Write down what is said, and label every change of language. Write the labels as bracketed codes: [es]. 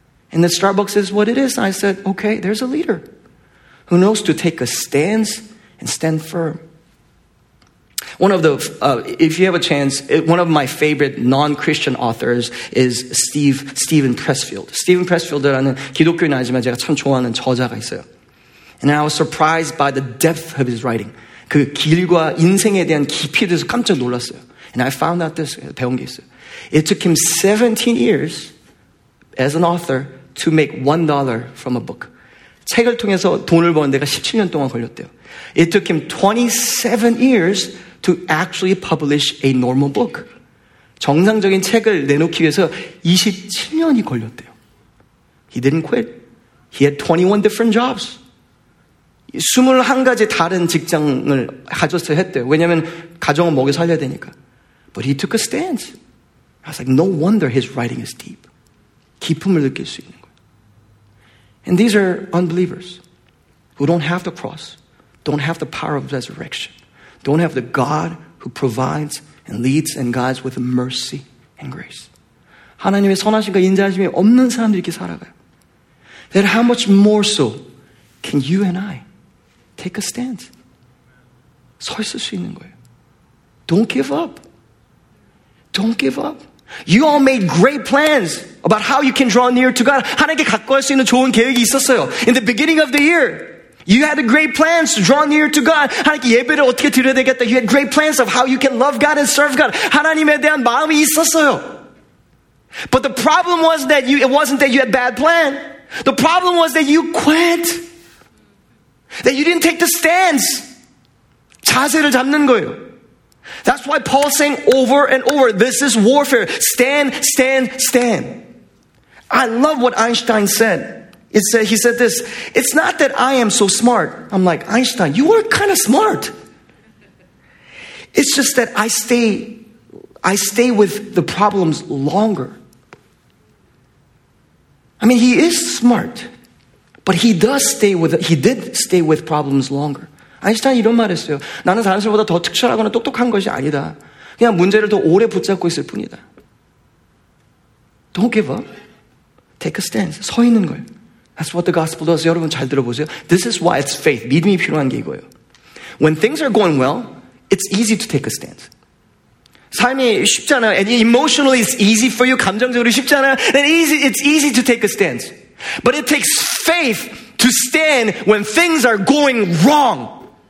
[en] And the Starbucks is what it is. I said, okay, there's a leader who knows to take a stance and stand firm. One of the, if you have a chance, one of my favorite non-Christian authors is Stephen Pressfield. [ko] Stephen Pressfield라는 기독교인 아니지만 제가 참 좋아하는 저자가 있어요. [en] And I was surprised by the depth of his writing. [ko] 그 길과 인생에 대한 깊이에 대해서 깜짝 놀랐어요. [en] And I found out this, [ko] 배운 게 있어요. [en] It took him 17 years as an author to make $1 from a book. [ko] 책을 통해서 돈을 버는 데가 17년 동안 걸렸대요. [en] It took him 27 years to actually publish a normal book. [ko] 정상적인 책을 내놓기 위해서 27년이 걸렸대요. [en] He didn't quit. He had 21 different jobs. [ko] 21가지 다른 직장을 가져서 했대요. 왜냐하면 가정은 먹여 살려야 되니까. [en] But he took a stance. I was like, no wonder his writing is deep. [ko] 깊음을 느낄 수 있는 거예요. [en] And these are unbelievers who don't have the cross, don't have the power of resurrection, don't have the God who provides and leads and guides with mercy and grace. [ko] 하나님의 선하심과 인자하심이 없는 사람들이 이렇게 살아가요. [en] Then how much more so can you and I take a stance? [ko] 서 있을 수 있는 거예요. [en] Don't give up. Don't give up. You all made great plans about how you can draw near to God. [ko] 하나님께 가까이 할 수 있는 좋은 계획이 있었어요. [en] In the beginning of the year, you had great plans to draw near to God. [ko] 하나님께 예배를 어떻게 드려야 되겠다. [en] You had great plans of how you can love God and serve God. [ko] 하나님에 대한 마음이 있었어요. [en] But the problem was that it wasn't that you had bad plan. The problem was that you quit. That you didn't take the stance. [ko] 자세를 잡는 거예요. [en] That's why Paul's saying over and over, this is warfare. Stand, stand, stand. I love what Einstein said. He said this, it's not that I am so smart. I'm like, Einstein, you are kind of smart. It's just that I stay with the problems longer. I mean, he is smart, but he did stay with problems longer. [ko] 아인슈타인 이런 말 했어요. 나는 사람들보다 더 특출하거나 똑똑한 것이 아니다. 그냥 문제를 더 오래 붙잡고 있을 뿐이다. [en] Don't give up. Take a stance. [ko] 서 있는 거예요. [en] That's what the gospel does. [ko] 여러분 잘 들어보세요. [en] This is why it's faith. [ko] 믿음이 필요한 게 이거예요. [en] When things are going well, it's easy to take a stance. [ko] 삶이 쉽잖아요. [en] And emotionally it's easy for you. [ko] 감정적으로 쉽잖아요. [en] And it's easy to take a stance. But it takes faith to stand when things are going wrong.